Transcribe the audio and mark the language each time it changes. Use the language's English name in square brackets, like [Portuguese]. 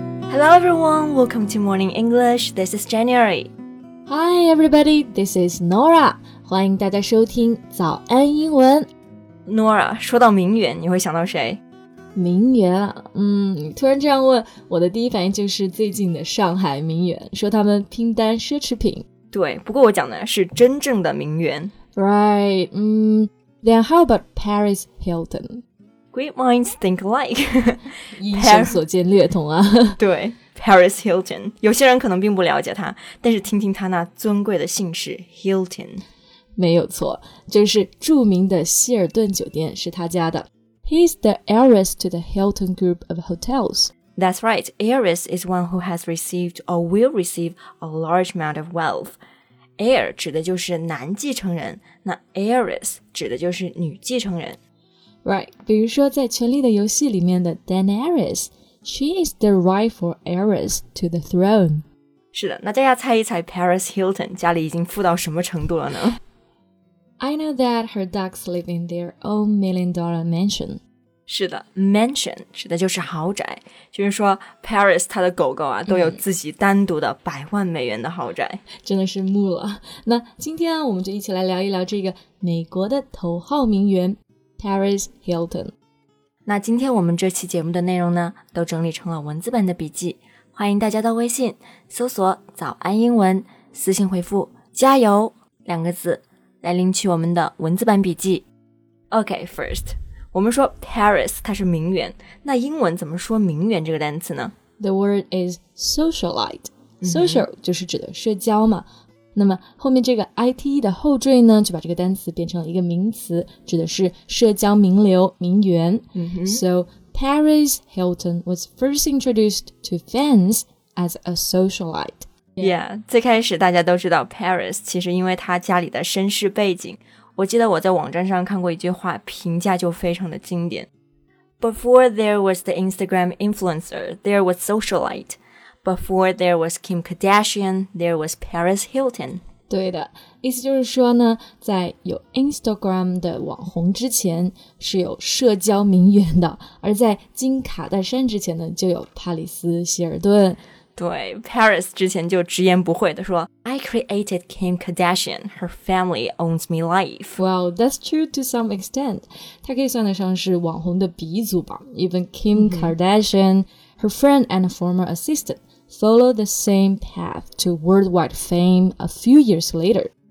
[English] Hello everyone, welcome to Morning English, this is January. Hi everybody, this is Nora. [Chinese] 欢迎大家收听早安英文。 Nora, 说到名媛，你会想到谁？名媛啊，突然这样问，我的第一反应就是最近的上海名媛，说他们拼单奢侈品。对，不过我讲的是真正的名媛。 [English] Right, then how about Paris Hilton? Great minds think alike. [Chinese] 英雄所见略同啊。对 ,Paris Hilton. 有些人可能并不了解他，但是听听他那尊贵的姓氏 Hilton. 没有错，就是著名的希尔顿酒店是他家的。 [English] He's the heiress to the Hilton group of hotels. That's right, heiress is one who has received or will receive a large amount of wealth. [Chinese] Heir 指的就是男继承人，那 heiress 指的就是女继承人。 [English] Right, [Chinese] 比如说在《权力的游戏》里面的 [English] Daenerys, she is the rightful heiress to the throne. [Chinese] 是的，那大家猜一猜 Paris Hilton 家里已经富到什么程度了呢？ [English] I know that her ducks live in their own million-dollar mansion. [Chinese] 是的 ,mansion 指的就是豪宅，就是说 Paris 她的狗狗啊都有自己单独的百万美元的豪宅。真的是慕了。那今天啊我们就一起来聊一聊这个美国的头号名媛。 [English] Paris Hilton. [Chinese] 那今天我们这期节目的内容呢都整理成了文字版的笔记，欢迎大家到微信搜索早安英文，私信回复加油两个字来领取我们的文字版笔记。 [English] OK, first, [Chinese] 我们说 Paris 它是名媛，那英文怎么说名媛这个单词呢？ [English] The word is socialite. [Chinese] Social 就是指的社交嘛，那么后面这个 ite 的后缀呢就把这个单词变成了一个名词，指的是社交名流名媛。 [English] So Paris Hilton was first introduced to fans as a socialite. [Chinese] Yeah, 最开始大家都知道 Paris 其实因为他家里的身世背景，我记得我在网站上看过一句话评价就非常的经典。 [English] Before there was the Instagram influencer, there was socialite. Before there was Kim Kardashian, there was Paris Hilton. [Chinese] 对的，意思就是说呢，在有 Instagram 的网红之前是有社交名媛的，而在金卡戴珊之前呢，就有帕里斯希尔顿。对 ，Paris 之前就直言不讳的说 ， [English] I created Kim Kardashian. Her family owns me life. Well, that's true to some extent. [Chinese] 她可以算得上是网红的鼻祖吧。 [English] Even Kim Kardashian. Her friend and former assistant followed the same path to worldwide fame a few years later.